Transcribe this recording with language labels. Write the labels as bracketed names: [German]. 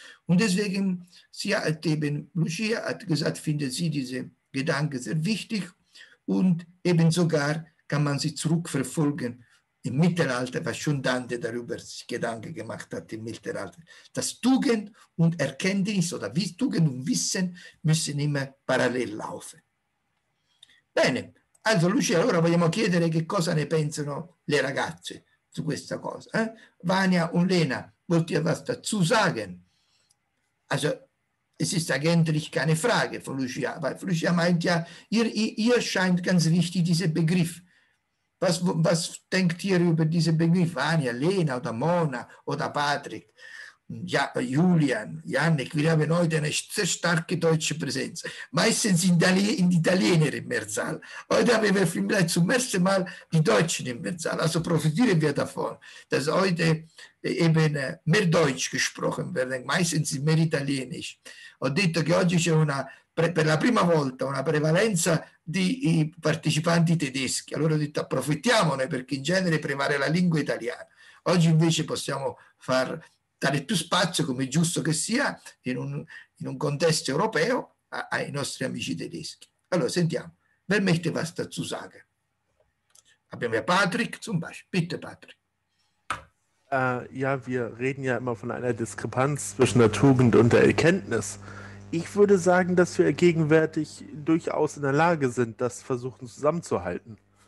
[German] Und deswegen, sie hat eben, Lucia hat gesagt, findet sie diese Gedanke sehr wichtig und eben sogar kann man sie zurückverfolgen im Mittelalter, was schon Dante darüber sich Gedanken gemacht hat im Mittelalter. Dass Tugend und Erkenntnis oder Tugend und Wissen müssen immer parallel laufen. [Italian] Bene, [German] also [Italian] Lucia, allora vogliamo chiedere che cosa ne pensano le ragazze su questa cosa. Eh? [German] Vania und Lena, wollt ihr was dazu sagen? Also, es ist eigentlich keine Frage von Lucia, weil Lucia meint ja, ihr scheint ganz wichtig dieser Begriff. Was denkt ihr über diese Begriffe? Vania, Lena oder Mona oder Patrick, ja, Julian, Jannik, wir haben heute eine sehr starke deutsche Präsenz. Meistens sind in Italiener im Mehrzahl. Heute haben wir vielleicht zum ersten Mal die Deutschen im Mehrzahl. Also profitieren wir davon, dass heute eben mehr Deutsch gesprochen wird. Meistens sind mehr Italienisch. [Italian] Ho detto che oggi c'è una, per la prima volta, una prevalenza di partecipanti tedeschi. Allora ho detto approfittiamone, perché in genere prevale la lingua italiana. Oggi invece possiamo dare più spazio, come giusto che sia, in un contesto europeo, ai nostri amici tedeschi. Allora, sentiamo. [German] Wer möchte was dazu sagen? [Italian] Abbiamo [German] Patrick, zum Beispiel. Bitte, Patrick. Ja, wir reden ja immer von einer Diskrepanz zwischen der Tugend und der Erkenntnis. Ich würde sagen, dass wir gegenwärtig durchaus in der Lage sind, das versuchen zusammenzuhalten.